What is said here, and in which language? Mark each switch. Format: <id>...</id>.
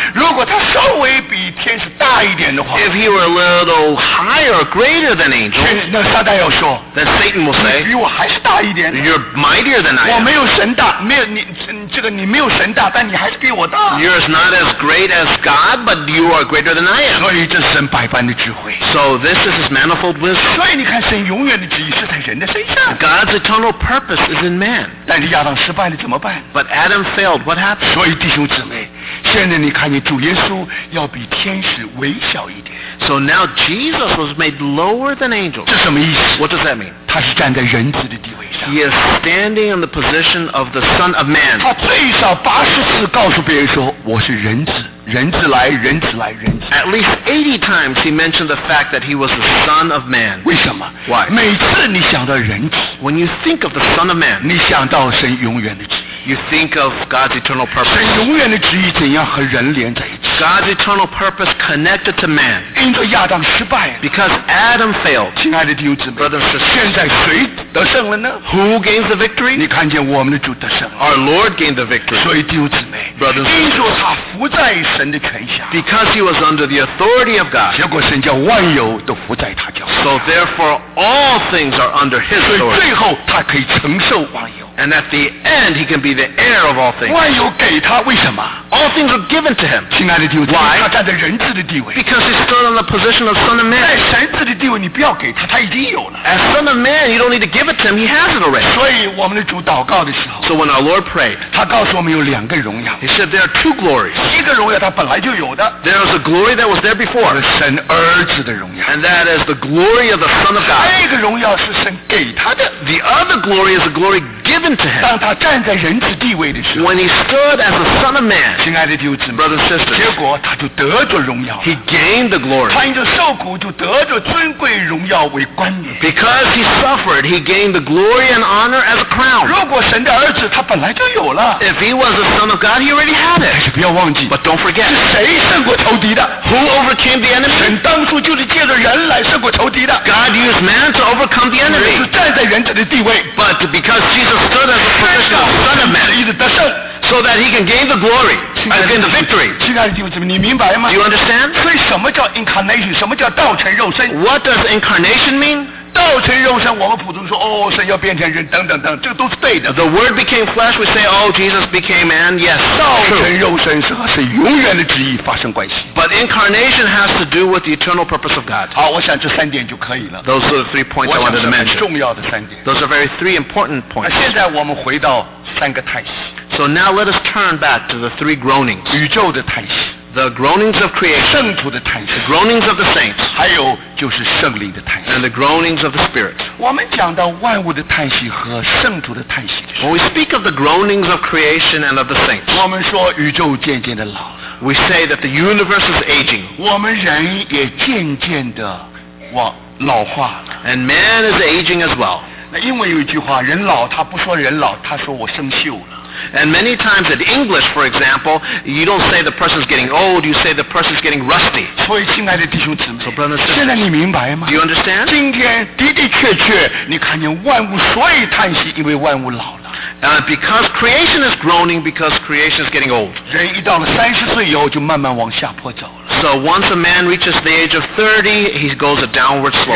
<zh>如果他稍微比天使大一点的话。</zh> <en>If he were a little higher, greater than angels,</en> <zh>那撒旦要说。</zh> <en>Then Satan will say,</en> <zh>你比我还是大一点。</zh> <en>You're mightier than I am.</en> <zh>我没有神大，没有你，这个你没有神大，但你还是比我大。</zh> <en>You're not as great as God, but you are greater than I am.</en> <zh>所以这是神百般的智慧。</zh> <en>So this is his manifold wisdom.</en> <zh>所以你看，神永远的旨意是在人的身上。</zh> <en>God's eternal purpose is in man.</en> <zh>但是亚当失败了，怎么办？</zh> <en>But Adam failed. What happened?</en> <zh>所以弟兄姊妹，现在你看见主耶稣要比天使微小一点。</zh> <en>So now Jesus was made lower than angels.</en> <zh>这什么意思？</zh> <en>What does that mean?</en> <zh>他是站在人子的地位上。</zh> <en>He is standing in the position of the Son of Man.</en> <zh>他最少八十次告诉别人说，我是人子。人子来，人子来，人子。</zh> <en>At least 80 times he mentioned the fact that he was the Son of Man.</en> <zh>为什么？</zh> <en>Why?</en> <zh>每次你想到人子，</zh> <en>When you think of the Son of Man,</en> <zh>你想到神永远的旨意。</zh> <en>You think of God's eternal purpose.</en> <zh>神永远的旨意怎样和人连在一起？</zh> <en>God's eternal purpose connected to man.</en> <zh>因着亚当失败了。</zh> <en>Because Adam failed.</en> <zh>亲爱的弟兄姊妹，</zh> <en>Brothers,</en> <zh>现在谁得胜了呢？</zh> <en>Who gains the victory?</en> <zh>你看见我们的主得胜了。</zh> <en>Our Lord gained the victory.</en> <zh>所以弟兄姊妹，</zh> <en>Brothers,</en> <zh>因着他伏在神。</zh> <en>Because he was under the authority of God.</en> <zh>结果神叫万有都伏在他脚下。</zh> <en>So therefore, all things are under his authority.</en> <zh>所以最后他可以承受万有。</zh> <en>And at the end, he can be the heir of all things.</en> <zh>万有给他，为什么？</zh> <en>All things are given to him.</en> <zh>亲爱的弟兄，</zh> <en>Why?</en> <zh>他站在人子的地位。</zh> <en>Because he stood on the position of Son of Man.</en> <zh>在神子的地位，你不要给他，他已经有了。</zh> <en>As Son of Man, you don't need to give it to him. He has it already.</en> <zh>所以我们的主祷告的时候。</zh> <en>So when our Lord prayed,</en> <zh>他告诉我们有两个荣耀。</zh> <en>He said there are two glories.</en> <zh>一个荣耀他本来就有的。</zh> <en>There is a glory that was there before.</en> <zh>是神儿子的荣耀。</zh> <en>And that is the glory of the Son of God.</en> <zh>还有一个荣耀是神给他的。</zh> <en>The other glory is a glory given to him.</en> <zh>当他站在人子地位的时候。</zh> <en>When he stood as the Son of Man.</en> <zh>亲爱的弟兄姊妹，</zh> <en>Brothers, sisters,</en> <zh>结果他就得着荣耀。</zh> <en>He gained the glory.</en> <zh>他因着受苦就得着尊贵荣耀为冠冕。</zh> <en>Because he suffered, he gained the glory and honor as a crown.</en> <zh>如果神的儿子，他本来就有了。</zh> <en>If he was the Son of God, he already had it.</en> <zh>但是不要忘记。</zh> <en>But don't forget.</en> <zh>是谁胜过仇敌的？</zh> <en>Who overcame the enemy?</en> <zh>神当初就是借着人来胜过仇敌的。</zh> <en>God used man to overcome the enemy.</en> <zh>是站在人子的地位。</zh> <en>But because Jesus stood as the position of Son of Man,</en> <zh>一直得胜。</zh> <en>So that he can gain the glory and gain the victory.</en> <zh>亲爱的弟兄姊妹，你明白吗？</zh> <en>Do you understand?</en> <zh>所以什么叫 incarnation? 什么叫道成肉身？</zh> <en>What does incarnation mean?</en> <zh>道成肉身，我们普通说，哦，神要变成人，等等等，这个都是对的。</zh> <en>The word became flesh, we say, oh, Jesus became man, yes.</en> <zh>道成肉身是和神永远的旨意发生关系。</zh> <en>But incarnation has to do with the eternal purpose of God.</en> <zh>好，我想这三点就可以了。</zh> <en>Those are the three points I wanted to mention.</en> <zh>重要的三点。</zh> <en>Those are very three important points.</en> <zh>现在我们回到三个叹息。</zh> <en>So now let us turn back to the three groanings.</en> <zh>宇宙的叹息。</zh> <en>The groanings of creation.</en> <zh>圣徒的叹息。</zh> <en>The groanings of the saints.</en> <zh>还有就是圣灵的叹息。</zh> <en>And the groanings of the spirit.</en> <zh>我们讲到万物的叹息和圣徒的叹息的时候。</zh> <en>When we speak of the groanings of creation and of the saints.</en> <zh>我们说宇宙渐渐的老。</zh> <en>We say that the universe is aging.</en> <zh>我们人也渐渐的老化了。</zh> <en>And man is aging as well.</en> <zh>那英文有一句话，人老他不说人老，他说我生锈了。</zh> <en>And many times in English, for example, you don't say the person's getting old, you say the person's getting rusty.</en> <zh>所以亲爱的弟兄姊妹，</zh> <en>so, brothers,</en> <zh>现在你明白吗？</zh> <en>Do you understand?</en> <zh>今天的的确确，你看见万物所以叹息，因为万物老了。</zh> <en>Because creation is groaning because creation is getting old.</en> <zh>人一到了三十岁以后，就慢慢往下坡走了。</zh> <en>So once a man reaches the age of 30, he goes a downward slope.</en>